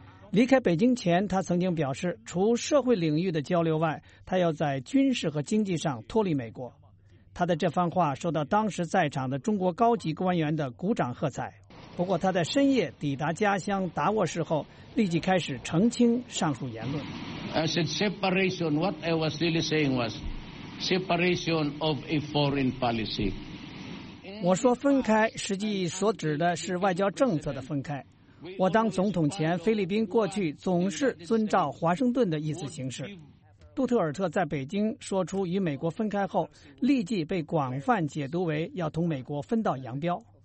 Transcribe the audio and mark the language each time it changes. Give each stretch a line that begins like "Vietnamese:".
Chinese: 离开北京前，他曾经表示，除社会领域的交流外，他要在军事和经济上脱离美国。他的这番话受到当时在场的中国高级官员的鼓掌喝彩。不过他在深夜抵达家乡达沃市后，立即开始澄清上述言论。
English: I said separation. What I was really saying was separation of a foreign policy.
Chinese: 我说分开，实际所指的是外交政策的分开。我当总统前，菲律宾过去总是遵照华盛顿的意思行事。杜特尔特在北京说出与美国分开后，立即被广泛解读为要同美国分道扬镳。